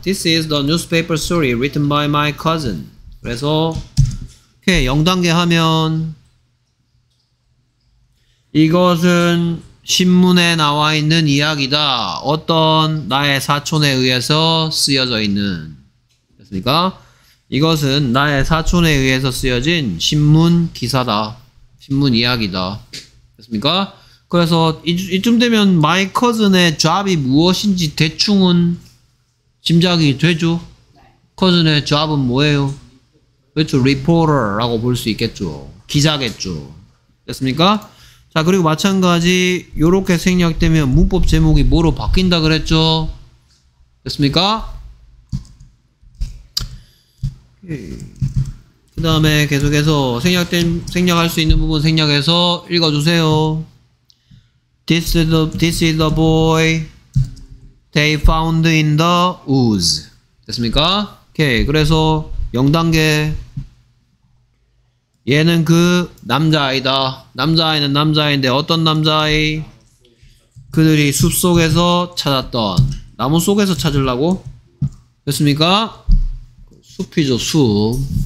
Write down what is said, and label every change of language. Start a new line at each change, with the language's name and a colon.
English: This is the newspaper story written by my cousin.
Korean: 그래서 오케이, 0단계 하면 이것은 신문에 나와 있는 이야기다. 어떤 나의 사촌에 의해서 쓰여져 있는. 됐습니까? 이것은 나의 사촌에 의해서 쓰여진 신문 기사다. 신문 이야기다. 됐습니까? 그래서 이쯤 되면 마이 커즌의 잡이 무엇인지 대충은 짐작이 되죠? 커즌의 잡은 뭐예요? 그렇죠. 리포터라고 볼 수 있겠죠. 기자겠죠. 됐습니까? 자, 그리고 마찬가지 요렇게 생략되면 문법 제목이 뭐로 바뀐다 그랬죠? 됐습니까? 그 다음에 계속해서 생략할 수 있는 부분 생략해서 읽어주세요.
English: This is the boy they found in the woods.
Korean: 됐습니까? 오케이. 그래서 0단계 얘는 그 남자아이다. 남자아이는 남자아이인데 어떤 남자아이? 그들이 숲속에서 찾았던. 나무 속에서 찾으려고? 됐습니까? 숲이죠, 숲.